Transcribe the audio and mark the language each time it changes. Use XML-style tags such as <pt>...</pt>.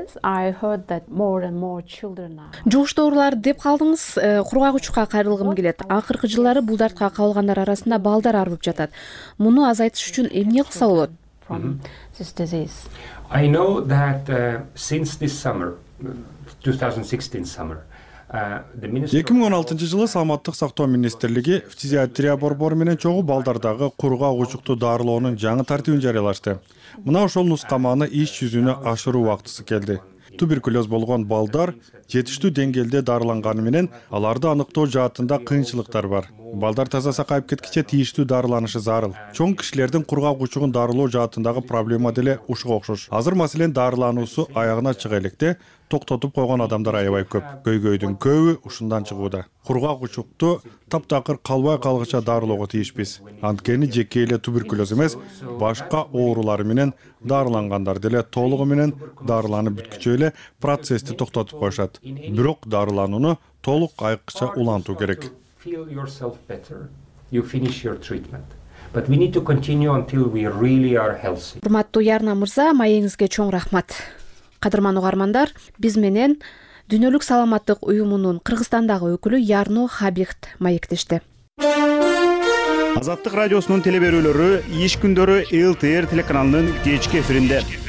<ky>Жугуштуу оорулар деп калдыңыз, кургак учукка кайрылгым келет. Акыркы жылдары бул дартка кабылгандар арасында балдар арбып жатат. Муну азайтыш үчүн эмне кылса болот?</ky> <en>I know that since this summer, 2016 summer,</en> <ky>2016 жылы Саламаттык сактоо министрлиги фтизиатрия борбору менен чогуу балдардагы кургак учукту дарылоонун жаңы тартибин жарыялашты. Мына ошол нускаманы иш жүзүнө ашыруу убактысы келди. Туберкулез болгон балдар жетиштүү деңгээлде дарыланганы менен аларды аныктоо жаатында кыйынчылыктар бар. Балдар таза сакайып кеткиче тийиштүү дарыланышы зарыл. Чоң кишилердин кургак учугун дарылоо жаатындагы проблема деле ушуга окшош. Азыр маселен дарылануусу аягына чыга электе токтотуп койгон адамдар аябай көп. Көйгөйдүн көбү ушундан чыгууда. Кургак учукту таптакыр калбай калгыча дарылоого тийишпиз. Анткени жеке эле туберкулез эмес, башка оорулар менен дарылангандар деле толугу менен дарыланып бүткүчө эле процессти токтотуп коюшат. Бирок дарыланууну толук айыкча улантуу керек.</ky> <en>Feel yourself better, you finish your treatment. But we need to continue until we really are healthy.</en> <ky>Урматтуу Ярна Мырза, маегиңизге чоң рахмат. Кадырман угармандар, биз менен Дүйнөлүк саламаттык уюмунун Кыргызстандагы өкүлү Ярно Хабихт маектешти. Азаттык радиосунун телеберүүлөрү иш күндөрү ЛТР телеканалынын кечки эфиринде.</ky>